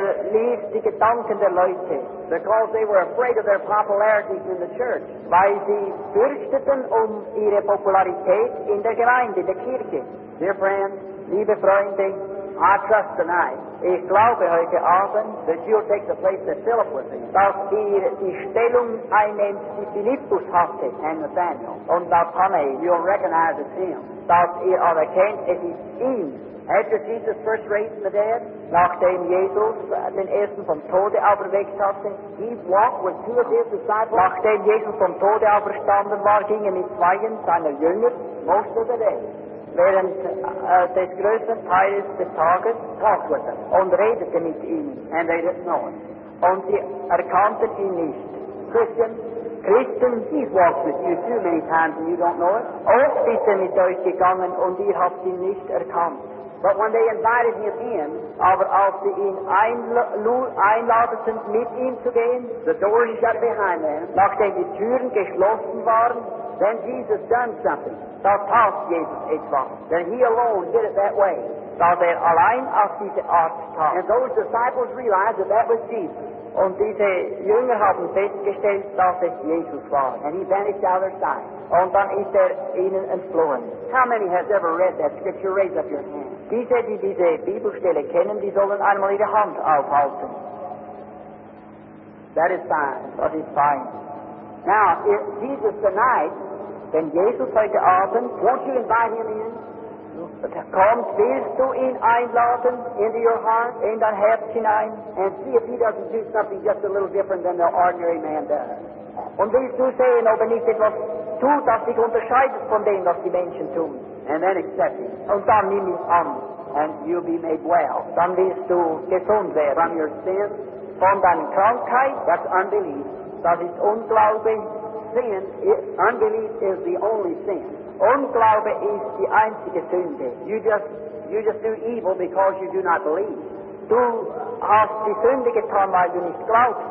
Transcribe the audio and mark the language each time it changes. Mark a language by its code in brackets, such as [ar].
[de] Liest die Gedanken der Leute. [en] Because they were afraid of their popularity in the church. [de] Weil sie fürchteten ihre Popularität in der Gemeinde, der Kirche. [en] Dear friends, [de] liebe Freunde, [en] I trust tonight. [de] Ich glaube heute Abend, [en] that you'll take the place that Philip was in. [de] Dass ihr die Stellung einnimmt, die Philippus hatte. [en] And Nathanael. [de] Und Nathanael. [en] You'll recognize it's him. [de] Dass ihr aber kennt, es ist ihn. [en] After Jesus first raised from the dead, [de] nachdem Jesus den ersten vom Tode auferweckt hatte, [en] he walked with two of his disciples. [de] Nachdem Jesus vom Tode auferstanden war, ging mit zweien seiner Jünger [en] most of the day. [de] Während des größten Teils des Tages [en] talked with them [de] und redete mit ihnen. [en] And they didn't know him. [de] Und sie erkannten ihn nicht. [en] Christian, he's walked with you too many times and you don't know it. [de] Oft ist mit euch gegangen und ihr habt ihn nicht erkannt. [en] But when they invited him in, [de] aber als sie ihn einladeten, mit ihm zu gehen, [en] the door he shut behind them, [de] nachdem die Türen geschlossen waren, [en] then Jesus done something. [de] Da tat Jesus etwas. [en] Then he alone did it that way. [de] Da allein auf diese Art tat. [en] And those disciples realized that that was Jesus. [de] Und diese Jünger haben festgestellt, dass es Jesus war. [en] And he vanished out of their sight. [de] Und dann ist ihnen entflohen. [en] How many has ever read that scripture? Raise up your hand. [de] Diese, die diese Bibelstelle kennen, die sollen einmal ihre Hand aufhalten. [en] That is fine. That is fine. Now, if Jesus tonight, [de] wenn Jesus heute Abend, [en] won't you invite him in? [de] Kommt, willst du ihn einladen [en] into your heart, [de] in dein Herz hinein? [en] And see if he doesn't do something just a little different than the ordinary man does. [de] Und willst du sehen, ob er nicht etwas tut, das sich unterscheidet von dem, was die Menschen tun? [en] And then accept him. [de] Und dann nimm ihn an. [en] And you'll be made well. [de] Dann wirst du gesund werden. [en] From your sin. [de] Von deiner Krankheit. [en] That's unbelief. [de] Das ist Unglaube. [en] Sin, unbelief is the only sin. [de] Unglaube ist die einzige Sünde. [en] You just do evil because you do not believe. [de] Du hast die Sünde getan, weil du nicht glaubst.